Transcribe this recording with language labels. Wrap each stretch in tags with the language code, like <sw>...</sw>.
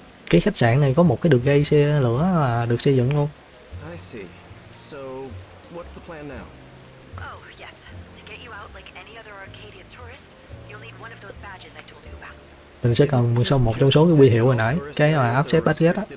<vi>Cái khách sạn này có một cái đường dây xe lửa là được xây dựng luôn.</vi> <en>I see. So, what's the plan now? Oh, yes. To get you out like any other Arcadia tourist, you'll need one of those badges I told you about.</en> <vi>Mình sẽ cần một trong số cái huy hiệu hồi nãy, cái là Accept Badge á.</vi>